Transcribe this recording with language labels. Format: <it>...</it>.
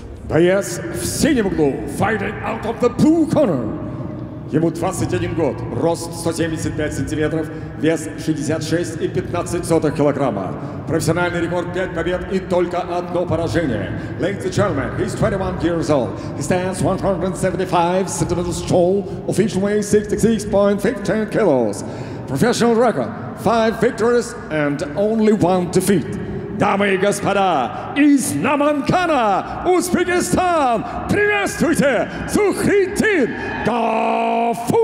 <ru>Боец в синем углу,</ru> <en>fighting out of the blue corner.</en> <ru>Ему 21 год, рост 175 сантиметров, вес 66,15 килограмма. Профессиональный рекорд 5 побед и только одно поражение.</ru> <en>Ladies and gentlemen, he's 21 years old. He stands 175 centimeters tall, official weight 66.15 kilos. Professional record, 5 victories and only 1 defeat.</en> <ru>Дамы и господа, из Наманкана, Узбекистан, приветствуйте Зухриддин Гафуров!</ru>